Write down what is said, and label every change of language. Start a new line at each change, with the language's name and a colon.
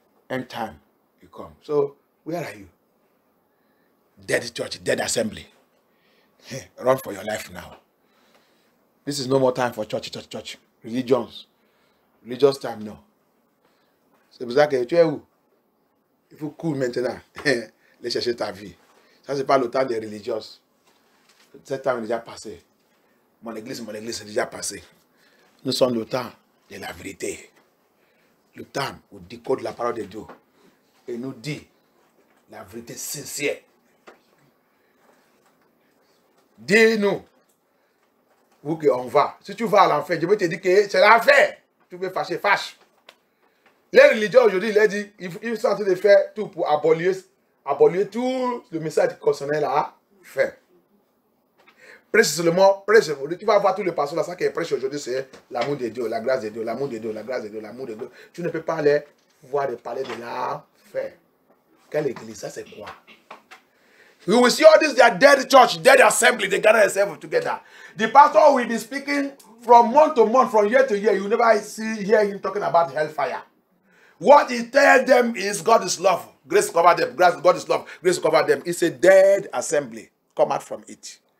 English: End time, you come. So where are you? Dead church, dead assembly. Run for your life now. This is no more time for church, religious time now.
French: C'est pour ça que tu es où? Il faut courir maintenant, aller chercher ta vie. Ça, c'est pas le temps des religieuses. Cet temps est déjà passé. Mon église est déjà passé. Nous sommes le temps de la vérité. Le temps où décode la parole de Dieu et nous dit la vérité sincère. Dis-nous où qu'on va. Si tu vas à l'enfer, je vais te dire que c'est l'enfer. Tu veux fâcher, fâche. Les religieux aujourd'hui, ils disent, ils sont en train de faire tout pour abolir tout le message concernant la fin. Précisément, tu vas voir tous les pasteurs là, ça qui est prêché aujourd'hui, c'est l'amour de Dieu, la grâce de Dieu, l'amour de Dieu, la grâce de Dieu, l'amour de Dieu. Tu ne peux pas aller voir de parler de la fin. Quelle église, ça c'est quoi?
English: We will see all this, they are dead church, dead assembly, they gather themselves together. The pastor will be speaking from month to month, from year to year. You never hear him talking about hellfire. What he tells them is God is love. Grace cover them. God is love. Grace cover them. It's a dead assembly. Come out from it.